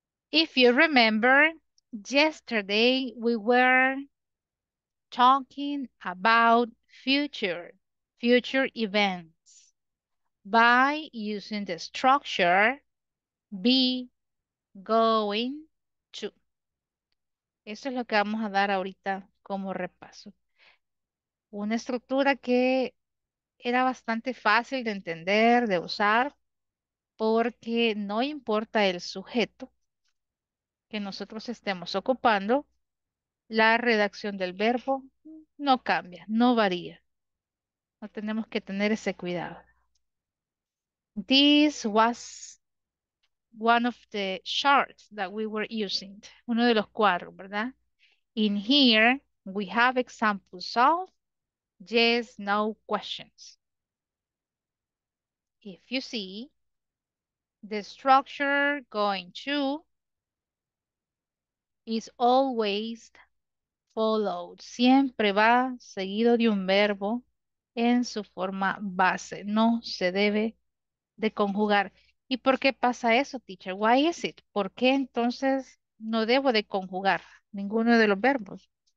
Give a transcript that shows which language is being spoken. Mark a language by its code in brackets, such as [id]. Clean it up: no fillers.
[en] If you remember, yesterday we were talking about future events by using the structure be going to. [es] Eso es lo que vamos a dar ahorita como repaso. Una estructura que era bastante fácil de entender, de usar, porque no importa el sujeto que nosotros estemos ocupando, la redacción del verbo no cambia, no varía. No tenemos que tener ese cuidado. [en] This was one of the charts that we were using. [es] Uno de los cuadros, ¿verdad? [en] In here, we have examples of yes, no questions. If you see the structure going to is always followed. [es] Siempre va seguido de un verbo en su forma base. No se debe de conjugar. ¿Y por qué pasa eso, teacher? [en] Why is it? [es] ¿Por qué entonces no debo de conjugar ninguno de los verbos?